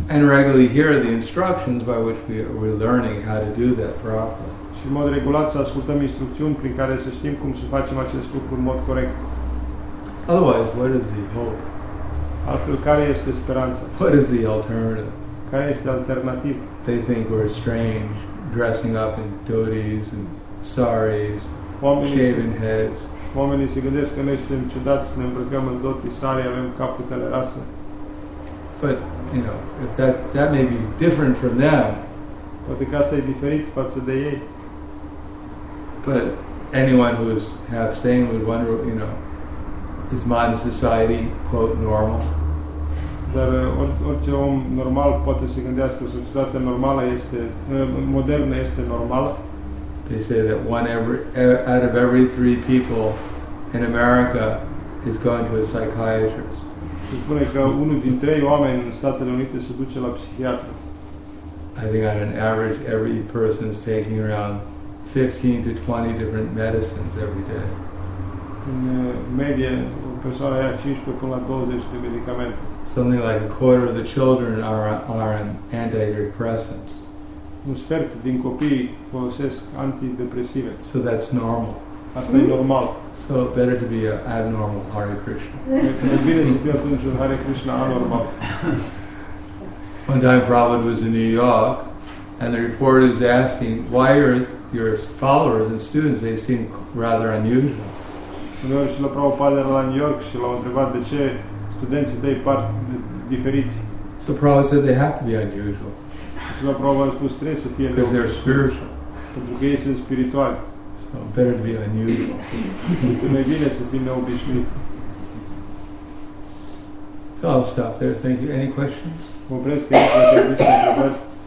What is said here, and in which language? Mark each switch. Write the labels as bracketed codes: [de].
[en] And regularly hear the instructions by which we're learning how to do that properly. [ro] Și în mod regulat să ascultăm instrucțiuni prin care să știm cum să facem acest lucru în mod corect. [en] Otherwise, what is the hope? [ro] Altfel, care este speranța? [en] What is the alternative? [ro] Care este alternativa? [en] They think we're strange, dressing up in dhotis and saris, shaven heads. [ro] Oamenii se gândesc că noi suntem ciudați, ne îmbrăcăm în dhoti, sari, avem capetele rase. [en] But, you know, if that may be different from them. [ro] Poate că asta e diferit față de ei. [en] But anyone who is half sane would wonder, you know, is modern society, quote, normal? [ro] Dar orice om normal poate să gândească societatea normală este modernă este normală. [en] They say that out of every three people in America is going to a psychiatrist. [ro] Se spune că unul din trei oameni în Statele Unite se duce la psihiatru. [en] I think on an average every person is taking around 15 to 20 different medicines every day. [ro] În medie, o persoană ia 15 până la 20 de medicamente. [en] Something like a quarter of the children are on antidepressants. [ro] Un sfert din copii folosesc antidepresive. [en] So that's normal. [ro] Asta e normal. [en] So better to be an abnormal Hare Krishna. [ro] E bine să fie atunci un Hare Krishna anormal. [en] One time Prabhupada was in New York and the reporter was asking, why are your followers and students, they seem rather unusual. [ro] Uneori și la Prabhupada era la New York și l-au întrebat de ce studenții tăi par diferiți. [en] So Prabhupada said they have to be unusual. [ro] Și la Prabhupada a spus trebuie să fie [en] because they're spiritual. [ro] Pentru că ei sunt spirituali. [en] So better to be unusual. [ro] Este mai bine să fim neobișnuit. [en] So I'll stop there. Thank you. Any questions? [ro] Mă opresc că ești la întrebări.